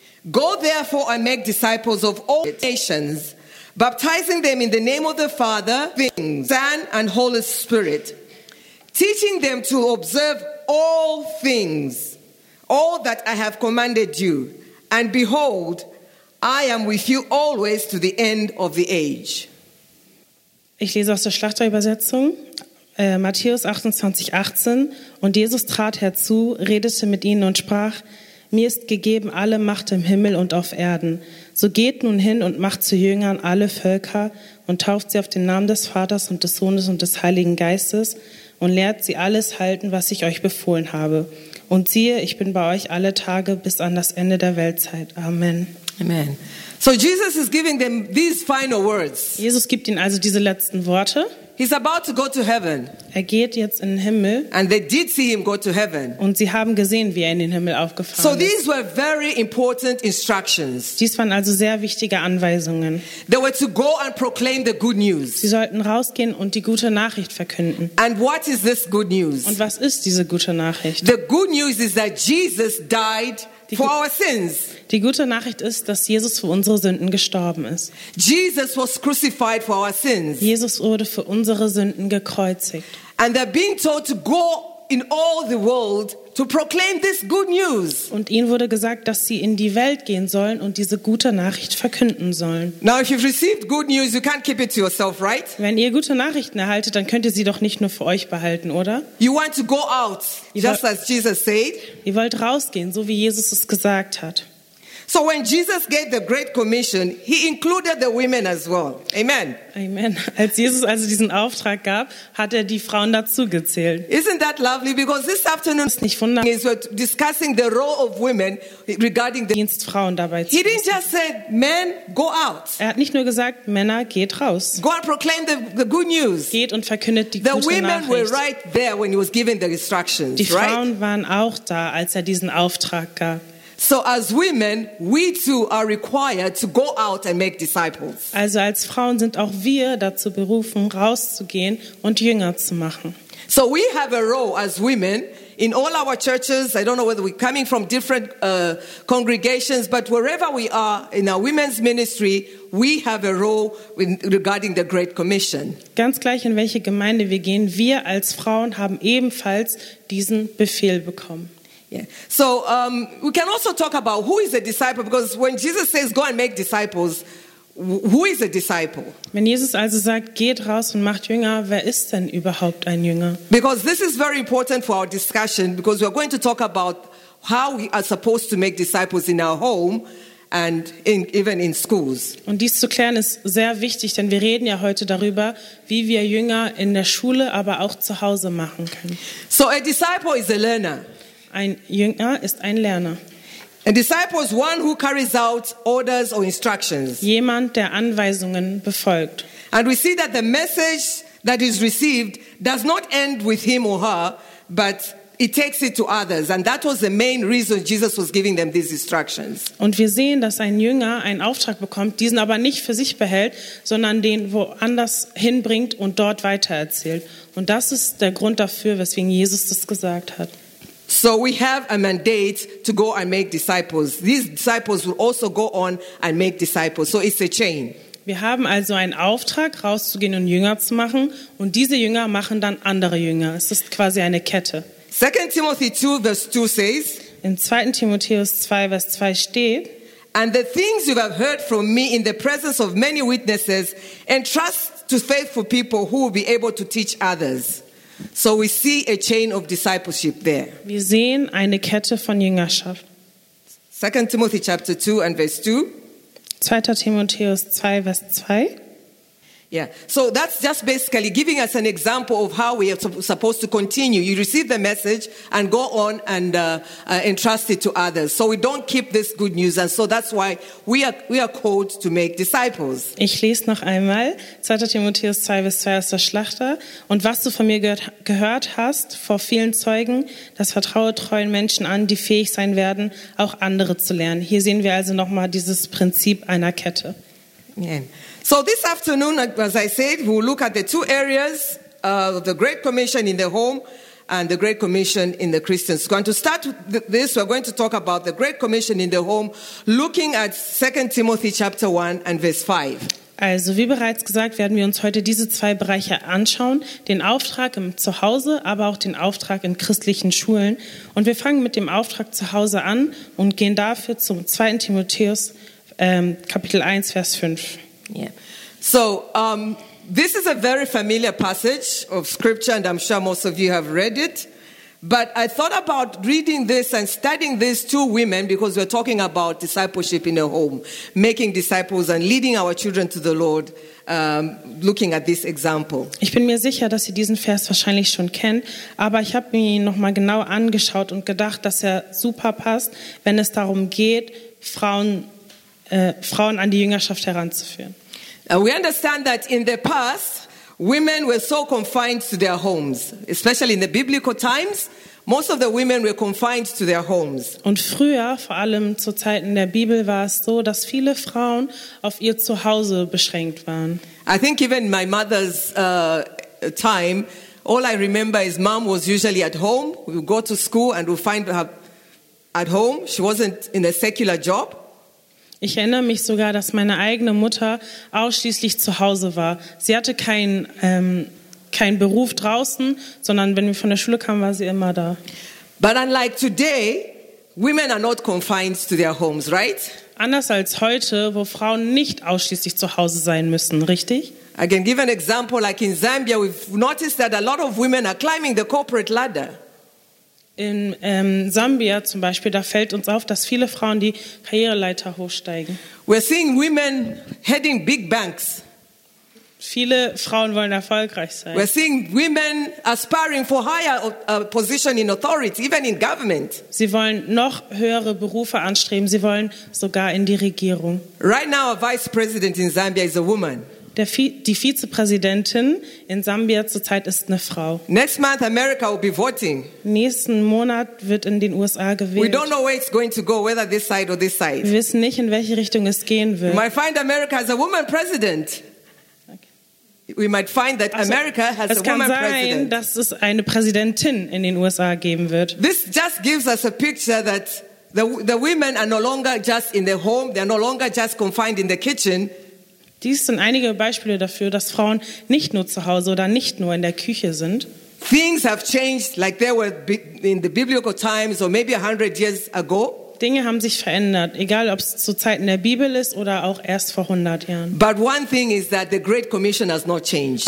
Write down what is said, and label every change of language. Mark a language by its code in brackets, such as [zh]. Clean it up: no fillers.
[en] Go therefore and make disciples of all nations, baptizing them in the name of the Father, Son, and Holy Spirit, teaching them to observe all things, all that I have commanded you. And behold, I am with you always to the end of the age. [de] Ich lese aus der Schlachterübersetzung. Matthäus 28, 18. Und Jesus trat herzu, redete mit ihnen und sprach: Mir ist gegeben alle Macht im Himmel und auf Erden. So geht nun hin und macht zu Jüngern alle Völker und tauft sie auf den Namen des Vaters und des Sohnes und des Heiligen Geistes und lehrt sie alles halten, was ich euch befohlen habe. Und siehe, ich bin bei euch alle Tage bis an das Ende der Weltzeit. Amen. Amen. [en] So Jesus is giving them these final words. [de] Jesus gibt ihnen also diese letzten Worte. [en] He's about to go to heaven. [de] Er geht jetzt in den Himmel. [en] And they did see him go to heaven. [de] Und sie haben gesehen, wie er in den Himmel aufgefahren ist. [en] So these were very important instructions. [de] Dies waren also sehr wichtige Anweisungen. [en] They were to go and proclaim the good news. [de] Sie sollten rausgehen und die gute Nachricht verkünden. [en] And what is this good news? [de] Und was ist diese gute Nachricht? [en] The good news is that Jesus died for our sins. [de] Die gute Nachricht ist, dass Jesus für unsere Sünden gestorben ist. [en] Jesus was crucified for our sins. [de] Jesus wurde für unsere Sünden gekreuzigt. [en] And they're being told to go in all the world to proclaim this good news. [de] Und ihnen wurde gesagt, dass sie in die Welt gehen sollen und diese gute Nachricht verkünden sollen. [en] Now if you've received good news, you can't keep it to yourself, right? [de] Wenn ihr gute Nachrichten erhaltet, dann könnt ihr sie doch nicht nur für euch behalten, oder? [en] You want to go out, just as Jesus said. [de] Ihr wollt rausgehen, so wie Jesus es gesagt hat. [en] So when Jesus gave the Great Commission, he included the women as well. Amen. Amen. [de] Als Jesus also diesen Auftrag gab, hat die Frauen dazu gezählt. [en] Isn't that lovely? Because this afternoon [de] ist nicht wunderbar. [en] We're discussing the role of women regarding the [de] Dienstfrauen dabei. [en] He didn't just say, "Men, go out." [de] Er hat nicht nur gesagt, Männer, geht raus. [en] Go and proclaim the good news. [de] Geht und verkündet die gute Nachricht. [en] The women were right there when he was giving the instructions. [de] Die Frauen waren auch da, als diesen Auftrag gab. [en] So as women, we too are required to go out and make disciples. [de] Also als Frauen sind auch wir dazu berufen, rauszugehen und Jünger zu machen. [en] So we have a role as women in all our churches. I don't know whether we're coming from different congregations, but wherever we are in our women's ministry, we have a role regarding the Great Commission. [de] Ganz gleich in welche Gemeinde wir gehen, wir als Frauen haben ebenfalls diesen Befehl bekommen. [en] Yeah. So we can also talk about who is a disciple, because when Jesus says go and make disciples, who is a disciple? [de] Wenn Jesus also sagt, geht raus und macht Jünger, wer ist denn überhaupt ein Jünger? [en] Because this is very important for our discussion, because we are going to talk about how we are supposed to make disciples in our home and even in schools. [de] Und dies zu klären ist sehr wichtig, denn wir reden ja heute darüber, wie wir Jünger in der Schule, aber auch zu Hause machen können. [en] So a disciple is a learner. [de] Ein Jünger ist ein Lerner. [en] A disciple is one who carries out orders or instructions. [de] Jemand, der Anweisungen befolgt. [en] And we see that the message that is received does not end with him or her, but it takes it to others. And that was the main reason Jesus was giving them these instructions. [de] Und wir sehen, dass ein Jünger einen Auftrag bekommt, diesen aber nicht für sich behält, sondern den woanders hinbringt und dort weitererzählt. Und das ist der Grund dafür, weswegen Jesus das gesagt hat. [en] So we have a mandate to go and make disciples. These disciples will also go on and make disciples. So it's a chain. [de] Wir haben also einen Auftrag, rauszugehen und Jünger zu machen, und diese Jünger machen dann andere Jünger. Es ist quasi eine Kette. [en] 2 Timothy 2 verse 2 says. [de] In 2. Timotheus 2 verse 2 steht. [en] And the things you have heard from me in the presence of many witnesses, entrust to faithful people who will be able to teach others. So we see a chain of discipleship there. [de] Wir sehen eine Kette von Jüngerschaft. [en] 2 Timothy chapter 2 and verse 2. [de] 2. Timotheus 2, Vers 2. [en] Yeah. So that's just basically giving us an example of how we are supposed to continue. You receive the message and go on and entrust it to others. So we don't keep this good news. And so that's why we are called to make disciples. [de] Ich lese noch einmal 2. Timotheus 2, Vers 2 aus der Schlachter. Und was du von mir gehört hast vor vielen Zeugen, das vertraue treuen Menschen an, die fähig sein werden, auch andere zu lernen. Hier sehen wir also nochmal dieses Prinzip einer Kette. [en] Yeah. So this afternoon, as I said, we'll look at the two areas of the Great Commission in the home and the Great Commission in the Christians. We're going to start with this. We're going to talk about the Great Commission in the home, looking at 2 Timothy chapter 1 and verse 5. [de] Also wie bereits gesagt, werden wir uns heute diese zwei Bereiche anschauen, den Auftrag im Zuhause, aber auch den Auftrag in christlichen Schulen. Und wir fangen mit dem Auftrag zu Hause an und gehen dafür zum 2. Timotheus Kapitel 1, Vers 5. [en] Yeah. So this is a very familiar passage of scripture, and I'm sure most of you have read it. But I thought about reading this and studying these two women, because we're talking about discipleship in a home, making disciples and leading our children to the Lord, looking at this example. [de] Ich bin mir sicher, dass Sie diesen Vers wahrscheinlich schon kennen, aber ich habe mir ihn noch mal genau angeschaut und gedacht, dass er super passt, wenn es darum geht, Frauen an die Jüngerschaft heranzuführen. [en] We understand that in the past, women were so confined to their homes, especially in the biblical times. Most of the women were confined to their homes. [de] Und früher, vor allem zu Zeiten der Bibel, war es so, dass viele Frauen auf ihr Zuhause beschränkt waren. [en] I think even my mother's time, all I remember is mom was usually at home. We would go to school and we'd find her at home. She wasn't in a secular job. [de] Ich erinnere mich sogar, dass meine eigene Mutter ausschließlich zu Hause war. Sie hatte keinen Beruf draußen, sondern wenn wir von der Schule kamen, war sie immer da. [en] But unlike today, women are not confined to their homes, right? [de] Anders als heute, wo Frauen nicht ausschließlich zu Hause sein müssen, richtig? [en] I can give an example, like in Zambia, we've noticed that a lot of women are climbing the corporate ladder. [de] In Sambia zum Beispiel, da fällt uns auf, dass viele Frauen die Karriereleiter hochsteigen. [en] We're seeing women heading big banks. [de] Viele Frauen wollen erfolgreich sein. [en] We're seeing women aspiring for higher position in authority, even in government. [de] Sie wollen noch höhere Berufe anstreben. Sie wollen sogar in die Regierung. [en] Right now, a vice president in Zambia is a woman. [de] Die Vizepräsidentin in Sambia zurzeit ist eine Frau. [en] Next month America will be voting. [de] Nächsten Monat wird in den USA gewählt. [en] We don't know where it's going to go, whether this side or this side. [de] Wir wissen nicht, in welche Richtung es gehen wird. [en] We might find America has a woman president. We might find that America has a woman president. [de] Es kann sein, dass es eine Präsidentin in den USA geben wird. [en] This just gives us a picture that the women are no longer just in the home, they are no longer just confined in the kitchen. [de] Dies sind einige Beispiele dafür, dass Frauen nicht nur zu Hause oder nicht nur in der Küche sind. [en] Things have changed like they were in the biblical times or maybe 100 years ago. [de] Dinge haben sich verändert, egal ob es zu Zeiten der Bibel ist oder auch erst vor 100 Jahren. [en] But one thing is that the Great Commission has not changed.